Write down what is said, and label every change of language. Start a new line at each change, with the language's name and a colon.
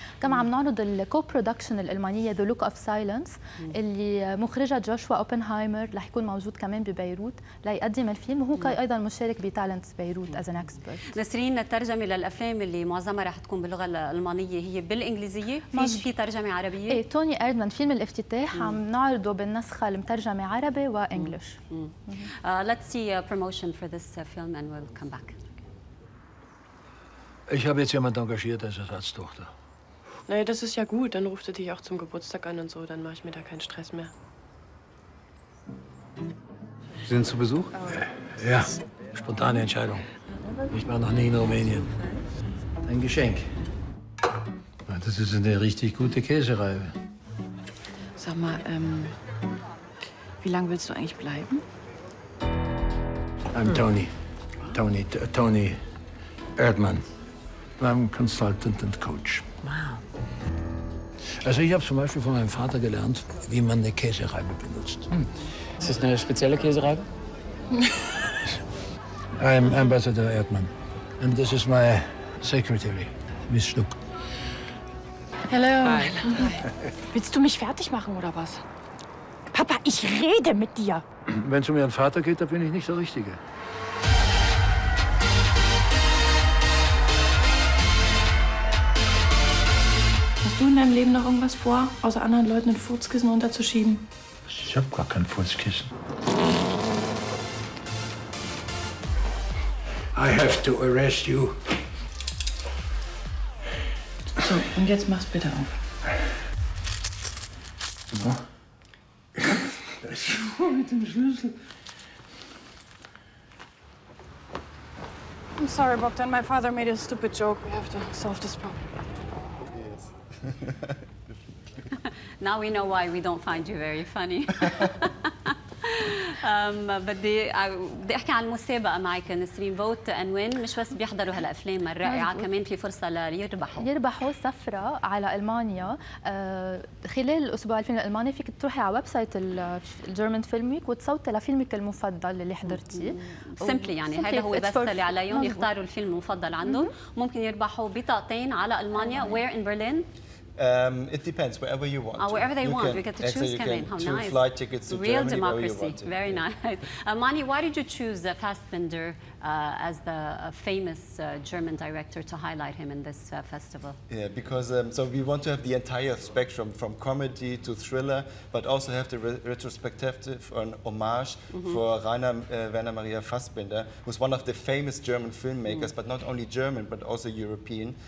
Arabic: كما عم نعرض الكو برودكشن الألمانية The Look of Silence اللي مخرجة جوشوا أوبنهايمر رح يكون موجود كمان ببيروت ليقدم الفيلم، وهو أيضا مشارك بتالنتس بيروت
English: as an expert.
Arabic: نسرين، الترجمة للأفلام اللي معظمها رح تكون باللغة الألمانية هي بالإنجليزية، في ترجمة عربية؟ إيه، توني إيردمان فيلم الافتتاح عم نعرضه بالنسخة المترجمة عربي وإنجليش.
English: Let's see a promotion for this film and we'll come back.
German: Ich habe jetzt jemand engagiert als Ersatztochter. Naja, das ist ja gut. Dann ruft er dich auch zum Geburtstag an und so. Dann mache ich mir da keinen Stress mehr. Sie sind zu Besuch? Ja, spontane Entscheidung. Ich war noch nie in Rumänien. Ein Geschenk. Das ist eine richtig gute Käsereibe. Sag mal, wie lange willst du eigentlich bleiben?
English: I'm Tony. Tony Erdmann. I'm consultant and coach. Wow.
German: Also ich habe zum Beispiel von meinem Vater gelernt, wie man eine Käsereibe benutzt. Ist das eine spezielle Käsereibe?
English: I'm Ambassador Erdmann. And this is my secretary, Miss Schluck. Hello. Hi. Hi.
German: Willst du mich fertig machen oder was? Papa, ich rede mit dir. Wenn es um Ihren Vater geht, dann bin ich nicht der Richtige. Hast du in deinem Leben noch irgendwas vor, außer anderen Leuten ein Furzkissen runterzuschieben? Ich hab gar kein Furzkissen.
English: I have to arrest you.
German: So, und jetzt mach's bitte auf. So. Mit dem Schlüssel.
English: I'm sorry, Bogdan. My father made a stupid joke. We have to solve this problem. Now we know why we don't find you very funny.
Arabic: بدي احكي عن المسابقة معك نسرين،
English: food and wine,
Arabic: مش بس بيحضروا هالافلام الرائعة، كمان في فرصة ليربحوا سفرة على المانيا خلال الاسبوع الفيلم الالماني. فيك تروحي على ويب سايت الجيرمان فيلم ويك وتصوتي لفيلمك المفضل اللي حضرتيه. سمبلي يعني هذا هو بس اللي عليهم يختاروا الفيلم المفضل عندهم، ممكن يربحوا بطاقتين على المانيا.
English: Where in Berlin? It depends, wherever you want. Oh, wherever they want, we get to choose. Exactly, coming. How nice. Flight tickets to Real Germany, democracy. Wherever you want to. Very nice. Mani, why did you choose Fassbinder as the famous German director to highlight him in this festival? Yeah, because so we want to have the entire spectrum from comedy to thriller, but also have the retrospective or an homage for Rainer Werner Maria Fassbinder, who's one of the famous German filmmakers, but not only German, but also European.